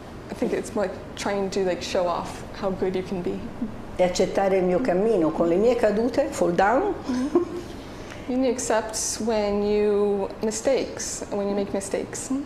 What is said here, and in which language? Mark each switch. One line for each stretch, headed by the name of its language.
English: I think it's like trying to like show off how good you can be.
Italian: E accettare il mio cammino con le mie cadute,
English: fall down. You need to accept when you mistakes, when you make mistakes.